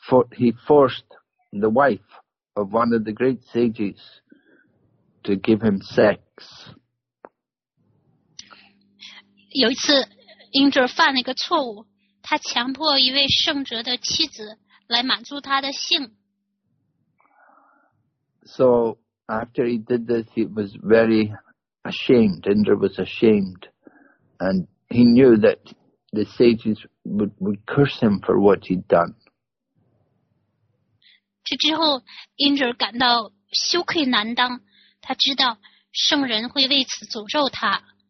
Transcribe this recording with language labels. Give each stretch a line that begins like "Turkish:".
English: He forced the wife of one of the great sages to give him sex.
Chinese: 有一次 Indra 犯了一个错误，他强迫一位圣哲的妻子来满足他的性。
English: So after he did this, he was very ashamed. Indra was ashamed. And he knew that the sages would curse him for what he'd done.
Chinese: 这之后 Indra 感到羞愧难当，他知道圣人会为此诅咒他。